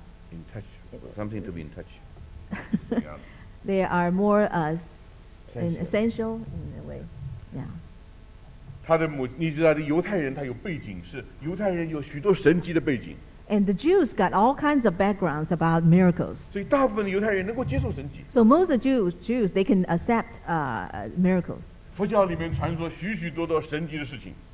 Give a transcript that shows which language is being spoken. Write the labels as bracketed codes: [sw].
[en] in touch, something to be in touch. They are more essential in a way. Yeah. [zh] 他的母，你知道的犹太人，他有背景，是犹太人有许多神迹的背景。 [en] And the Jews got all kinds of backgrounds about miracles. [zh] 所以大部分的犹太人能够接受神迹。 [en] So most of the Jews they can accept miracles. [zh] 佛教里面传说许许多多神迹的事情。